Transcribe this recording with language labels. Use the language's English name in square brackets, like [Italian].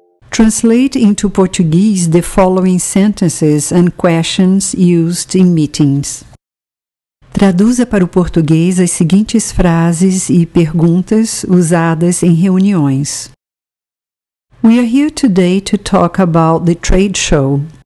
[English] Translate into Portuguese the following sentences and questions used in meetings. [Portuguese] Traduza para o português as seguintes frases e perguntas usadas em reuniões. [English] We are here today to talk about the trade show.